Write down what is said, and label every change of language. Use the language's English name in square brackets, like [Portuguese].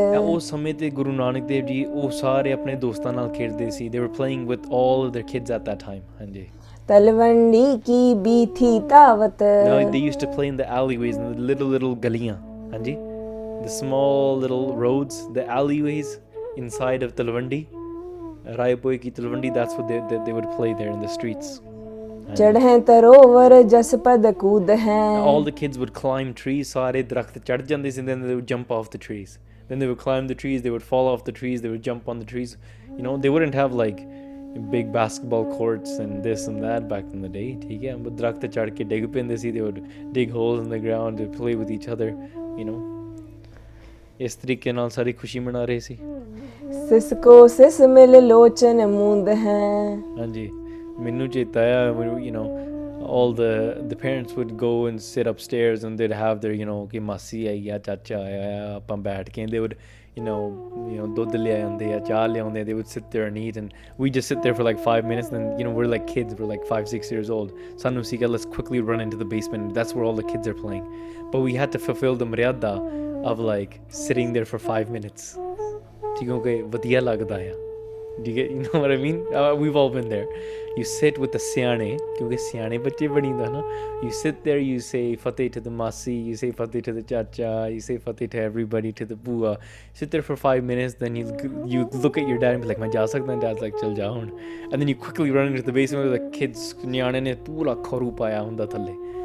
[Punjabi] ਉਹ ਸਮੇਂ ਤੇ ਗੁਰੂ ਨਾਨਕ ਦੇਵ ਜੀ ਉਹ ਸਾਰੇ ਆਪਣੇ ਦੋਸਤਾਂ ਨਾਲ ਖੇਡਦੇ ਸੀ [English] they were playing with all of their kids at that time ਹਾਂਜੀ [Punjabi] ਤਲਵੰਡੀ ਕੀ ਬੀਥੀ ਤਾਵਤ [English] No they used to play in the alleys in the little little ਗਲੀਆਂ ਹਾਂਜੀ the small little roads the alleys inside of Talwandi Rai Boy ki Talwandi, that's what they would play there in the streets. [Punjabi] ਚੜ੍ਹੇ ਤਰੋਵਰ ਜਸਪਦ ਕੂਦ ਹੈ [English] all the kids would climb trees [Punjabi] ਸਾਰੇ ਦਰਖਤ ਚੜ੍ਹ ਜਾਂਦੇ ਸੀ [English] then they would jump off the trees then they would climb the trees they would fall off the trees they would jump on the trees you know they wouldn't have like big basketball courts and this and that back in the day [Punjabi] ਠੀਕ ਹੈ ਬਸ ਦਰਖਤ ਚੜ੍ਹ ਕੇ ਡਿੱਗ ਪੈਂਦੇ ਸੀ [English] they would dig holes in the ground they would play with each other you know [Punjabi] ਇਸ ਤਰੀਕੇ ਨਾਲ ਸਾਰੀ ਖੁਸ਼ੀ ਮਨਾ ਰਹੇ ਸੀ ਸਿਸ ਕੋ ਸਿਸ ਮਿਲ ਲੋਚਨ ਮੂੰਦ ਹੈ [English] ਹਾਂਜੀ [Punjabi] ਮੈਨੂੰ ਚੇਤਾ ਆ [English] you know all the parents would go and sit upstairs and they'd have there you know [Punjabi] ਕਿ ਮਾਸੀ ਆਈ ਆ ਚਾਚਾ ਆਇਆ ਆ ਆਪਾਂ ਬੈਠ ਕੇ [English] they would you know [Punjabi] ਦੁੱਧ ਲਿਆਉਂਦੇ ਆ ਚਾਹ ਲਿਆਉਂਦੇ [English] they would sit there need and we just sit there for like 5 minutes and you know we are like kids we are like 5 6 years old [Punjabi] ਸਾਨੂੰ ਸੀਗਾ [English] let's quickly run into the basement that's where all the kids are playing but we had to fulfil the maryada of like sitting there for 5 minutes [Punjabi] ਠੀਕ ਹੋ ਗਏ ਵਧੀਆ ਲੱਗਦਾ ਆ [English] Do you get, you know what I mean? We've all been there. You sit with the siyane, [Punjabi] kyunki siyane bache bani da na. [English] You sit there, you say fateh to the masi, you say fateh to the chacha, you say fateh to everybody, to the bua. Sit there for 5 minutes, then you look at your dad and be like, [Punjabi] main ja sakda, [English] and dad's like, [Punjabi] chal ja hun. [English] And then you quickly run into the basement with the kids, [Punjabi] nyane ne pura kharu paya hunda thalle.